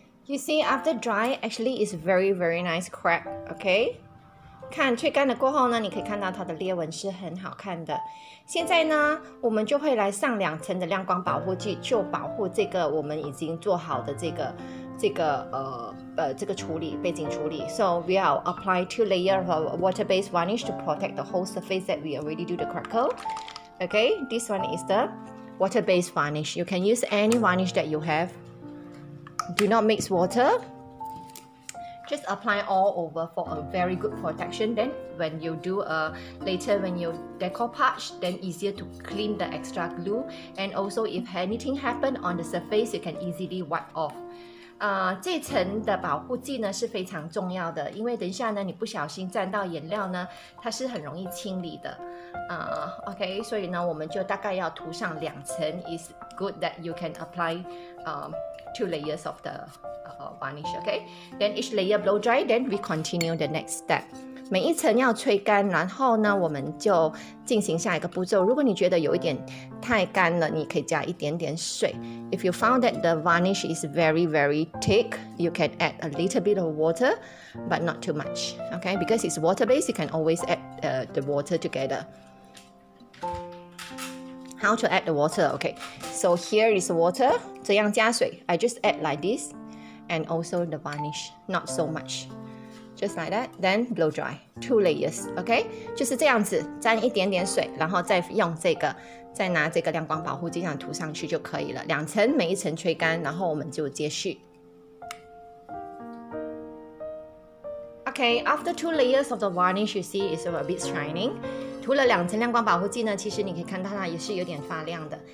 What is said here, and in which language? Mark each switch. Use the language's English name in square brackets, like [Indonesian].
[English] You see, after dry, actually is very, very nice crab, okay? [Chinese] 看吹干了过后呢，你可以看到它的裂纹是很好看的。现在呢，我们就会来上两层的亮光保护剂，就保护这个我们已经做好的这个处理背景处理。 [English] So we will apply two layers of water-based varnish to protect the whole surface that we already do the crackle. Okay, this one is the water-based varnish. You can use any varnish that you have. Do not mix water. Just apply all over for a very good protection. Then when you do later when you decoupage, then easier to clean the extra glue. And also if anything happened on the surface, you can easily wipe off. [Chinese] 这层的保护剂呢是非常重要的，因为等一下呢你不小心沾到颜料呢，它是很容易清理的。 OK, 所以呢我们就大概要涂上两层。 [English] It's good that you can apply two layers of the varnish, okay? Then each layer blow dry, then we continue the next step. [Chinese] 每一层要吹干，然后呢，我们就进行下一个步骤。如果你觉得有一点太干了，你可以加一点点水。 [English] If you found that the varnish is very, very thick, you can add a little bit of water, but not too much, okay? Because it's water-based, you can always add the water together. How to add the water, okay. So here is the water, [Chinese] 这样加水 [English] I just add like this, and also the varnish, not so much. Just like that, then blow dry, two layers, okay. [Chinese] 就是这样子，沾一点点水，然后再用这个，再拿这个亮光保护剂上涂上去就可以了。两层，每一层吹干，然后我们就接续。 [English] Okay, after two layers of the varnish, you see it's a bit shining. [Chinese] 涂了两层亮光保护剂呢，其实你可以看到它也是有点发亮的。